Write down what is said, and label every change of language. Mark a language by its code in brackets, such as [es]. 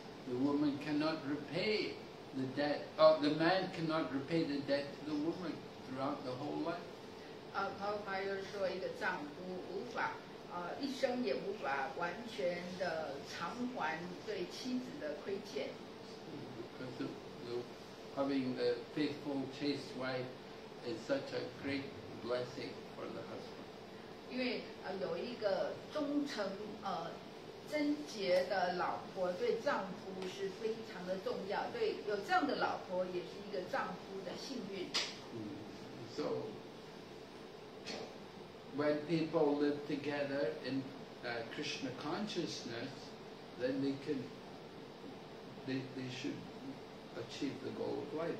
[en] the woman cannot repay the debt, the man cannot repay the debt to the woman throughout the whole life. [zh] 他又说一个丈夫无法一生也无法完全的偿还对妻子的亏欠。 [en] Because of having the faithful, chaste wife is such a great blessing for the husband. [zh] 因为有一个忠诚贞洁的老婆对丈夫是非常的重要，对，有这样的老婆也是一个丈夫的幸运。 [en] So when people live together in Krishna consciousness, then they should achieve the goal of life.